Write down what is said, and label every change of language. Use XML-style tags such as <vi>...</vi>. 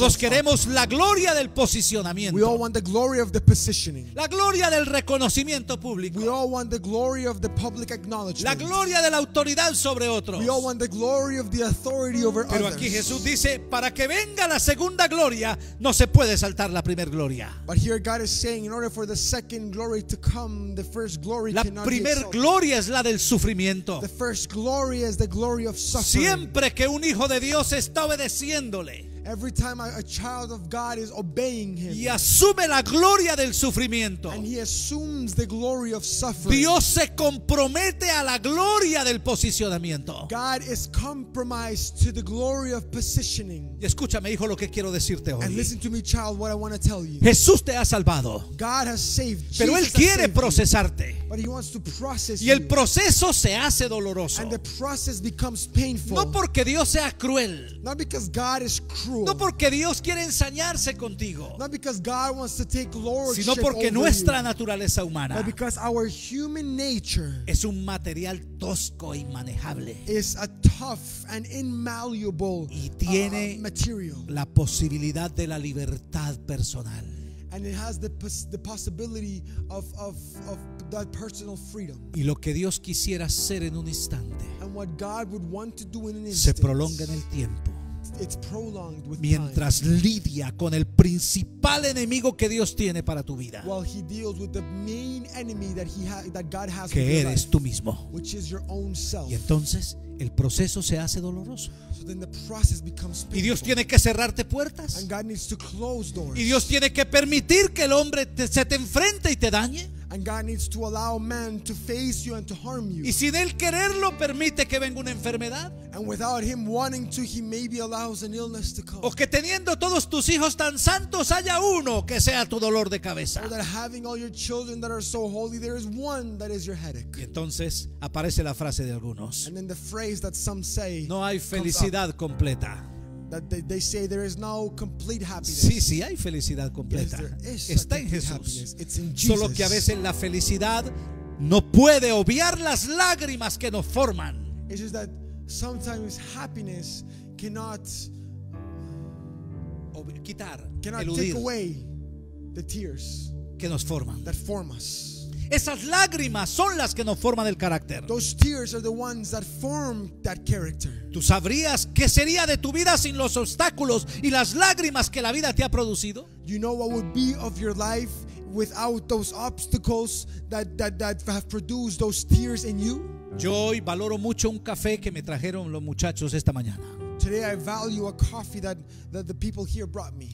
<es>Todos queremos la gloria del posicionamiento.</es> <en>We all want the glory of the positioning.</en> <es>La gloria del reconocimiento público.</es> <en>We all want the glory of the public acknowledgement.</en> <es>La gloria de la autoridad sobre otros.</es> <en>We all want the glory of the authority over others.</en> <es>Pero aquí Jesús dice, para que venga la segunda gloria, no se puede saltar la primer gloria.</es> <en>But here God is saying, in order for the second glory to come, the first glory</en> <es>la</es> <en>cannot</en> <es>La primer gloria es la del sufrimiento.</es> <en>The first glory is the glory of suffering.</en> <es>Siempre que un hijo de Dios está obedeciéndole,</es> <en>every time a child of God is obeying him,</en> <es>y asume la gloria del sufrimiento,</es> <en>and he assumes the glory of suffering,</en> <es>Dios se compromete a la gloria del posicionamiento.</es> <en>God is compromised to the glory of positioning.</en> <es>Y escúchame, hijo, lo que quiero decirte hoy.</es> <en>And listen to me, child, what I want to tell you.</en> <es>Jesús te ha salvado.</es> <en>God has saved.</en> <es>Pero</es> <en>Jesus</en> <es>él quiere</es> <en>saved</en> <es>procesarte.</es> <en>You. But he wants to process</en> <es>y el proceso se hace doloroso.</es> <en>And the process becomes painful.</en> <es>No porque Dios sea cruel.</es> <en>Not because God is cruel.</en> <es>No porque Dios quiere ensañarse contigo,</es> <en>not because God wants to take lordship,</en> <es>sino porque</es> <en>over</en> <es>nuestra</es> <en>you,</en> <es>naturaleza humana,</es> <en>but because our human nature</en> <es>es un material tosco e inmanejable,</es> <en>is a tough and inmalleable,</en> <es>y tiene</es> <en>material,</en> <es>la posibilidad de la libertad personal,</es> <en>and it has the possibility of that personal freedom.</en> <es>Y lo que Dios quisiera hacer en un instante,</es> <en>and what God would want to do in an instant,</en> <es>se prolonga en el tiempo.</es> <en>It's prolonged with</en> <es>mientras</es> <en>time.</en> <es>Lidia con el principal enemigo que Dios tiene para tu vida,</es> <en>while he deals with the main enemy that he that God has,</en> <es>que eres</es> <en>life,</en> <es>tú mismo,</es> <en>which is your own self.</en> <es>Y entonces el proceso se hace doloroso.</es> <en>So then the process becomes painful.</en> <es>Y Dios tiene que cerrarte puertas.</es> <en>And God needs to close doors.</en> <es>Y Dios tiene que permitir que el hombre se te enfrente y te dañe.</es> <en>And God needs to allow man to face you and to harm you.</en> <es>Y sin él quererlo permite que venga una enfermedad.</es> <en>And without him wanting to, he maybe allows an illness to come.</en> <es>O que teniendo todos tus hijos tan santos haya uno que sea tu dolor de cabeza.</es> <en>Or that having all your children that are so holy, there is one that is your headache.</en> <es>Y entonces aparece la frase de algunos.</es> <en>And then the phrase that some say.</en> <es>No hay felicidad completa.</es> <en>That they say there is no complete happiness.</en> <es>Sí, sí, hay felicidad completa.</es> <en>Yes,</en> <es>está en Jesús.</es> <en>It's in Jesus.</en> <es>Solo que a veces la felicidad no puede obviar las lágrimas que nos forman.</es> <en>It's just that sometimes happiness cannot</en> <es>quitar,</es> <en>cannot</en> <es>eludir,</es> <en>take away the tears</en> <es>que nos forman,</es> <en>that form us.</en> <es>Esas lágrimas son las que nos forman el carácter.</es> <en>Those tears are the ones that form that character.</en> <es>¿Tú sabrías qué sería de tu vida sin los obstáculos y las lágrimas que la vida te ha producido?</es> <en>You know what would be of your life without those obstacles that have produced those tears in you?</en> <es>Yo hoy valoro mucho un café que me trajeron los muchachos esta mañana.</es> <en>Today I value a coffee that the people here brought me.</en>